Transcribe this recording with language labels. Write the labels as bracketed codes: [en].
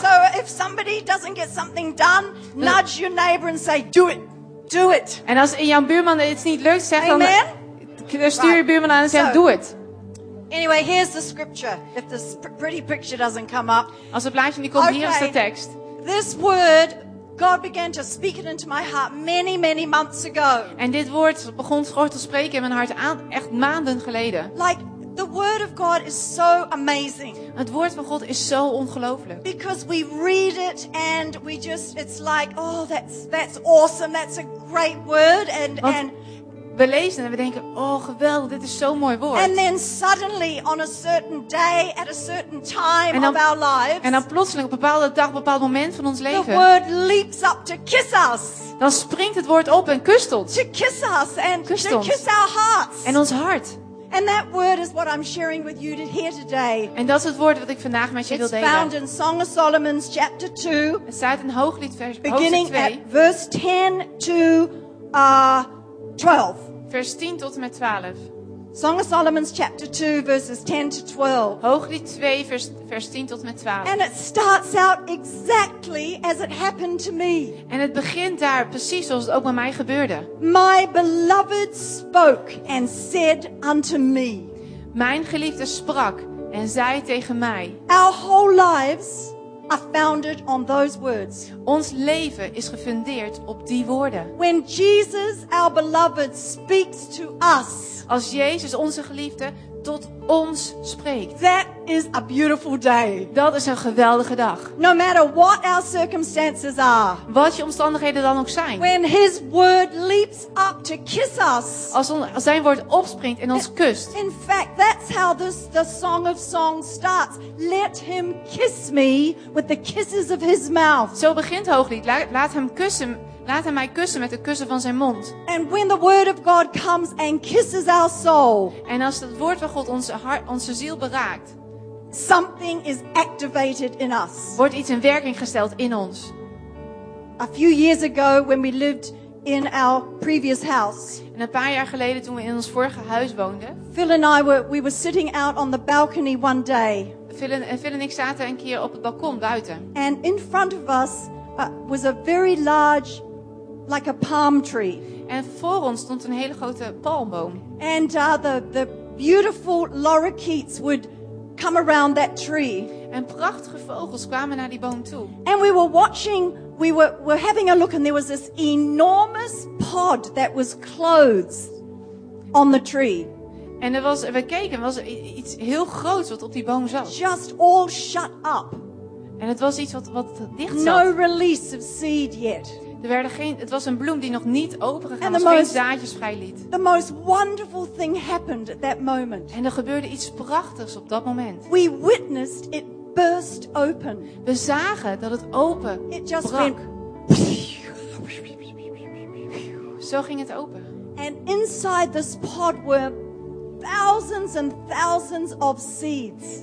[en] So if somebody doesn't get something done, nudge your neighbor and say, do it, do it. [nl] En als in jouw buurman iets niet lukt, zeg [en] Amen. [nl] Dan, stuur je buurman aan en zeg, doe het. [en] Anyway, here's the scripture. If this pretty picture doesn't come up. [nl] Als het plaatje niet komt, hier is de tekst. [en] This word, God began to speak it into my heart many, many months ago. [nl] En dit woord begon God te spreken in mijn hart echt maanden geleden. [en] Like, the word of God is so amazing. [nl] Het woord van God is zo ongelooflijk. [en] Because we read it and we just, it's like, oh, that's awesome, that's a great word. And [nl] we lezen en we denken, oh geweldig, dit is zo'n mooi woord. [en] And then suddenly on a certain day at a certain time of our lives. [nl] En dan plotseling op een bepaalde dag, een bepaald moment van ons leven. [en] The word leaps up to kiss us. [nl] Dan springt het woord op en kust ons. [en] To kiss us and to kiss our hearts. [nl] En ons hart. [en] And that word is what I'm sharing with you here today. [nl] En dat is het woord wat ik vandaag met je wil delen. [en] It's found in Song of Solomon's chapter 2. [nl] Het staat in Hooglied vers 2. [en] Beginning at verse 10 to 12. [nl] Vers 10 tot en met 12. [en] Song of Solomon's chapter 2 verses 10 to 12. [nl] Hooglied 2 vers 10 tot met 12. [en] And it starts out exactly as it happened to me. [nl] En het begint daar precies zoals het ook bij mij gebeurde. [en] My beloved spoke and said unto me. [nl] Mijn geliefde sprak en zei tegen mij. [en] Our whole lives are founded on those words. [nl] Ons leven is gefundeerd op die woorden. [en] When Jesus, our beloved, speaks to us. [nl] Als Jezus, onze geliefde, tot ons spreekt. [en] That is a beautiful day. [nl] Dat is een geweldige dag. [en] No matter what our circumstances are. [nl] Wat je omstandigheden dan ook zijn. [en] When his word leaps up to kiss us. [nl] Als zijn woord opspringt en ons kust. [en] In fact, that's how the Song of Songs starts. Let him kiss me with the kisses of his mouth. [nl] Zo begint Hooglied. Laat hem kussen. Laat hem mij kussen met de kussen van zijn mond. [en] And when the word of God comes and kisses our soul. [nl] En als het woord van God onze hart, onze ziel beraakt. [en] Something is activated in us. [nl] Wordt iets in werking gesteld in ons. [en] A few years ago when we lived in our previous house. [nl] En een paar jaar geleden toen we in ons vorige huis woonden. [en] Phil and I were sitting out on the balcony one day. [nl] Phil en ik zaten een keer op het balkon buiten. [en] And in front of us was a very large, like a palm tree. [nl] En voor ons stond een hele grote palmboom. [en] And the beautiful lorikeets would come around that tree. [nl] En prachtige vogels kwamen naar die boom toe. [en] And we were watching, we were having a look, and there was this enormous pod that was closed on the tree. [nl] En we keken, er was iets heel groots wat op die boom zat. [en] Just all shut up. [nl] En het was iets wat dicht zat. [en] No release of seed yet. [nl] Het was een bloem die nog niet opengegaan was, geen zaadjes vrijliet. [en] The most wonderful thing happened at that moment. [nl] En er gebeurde iets prachtigs op dat moment. [en] We witnessed it burst open. [nl] We zagen dat het open [en] it just [nl] brak. [en] Went... [nl] Zo ging het open. [en] And inside this pod were thousands and thousands of seeds.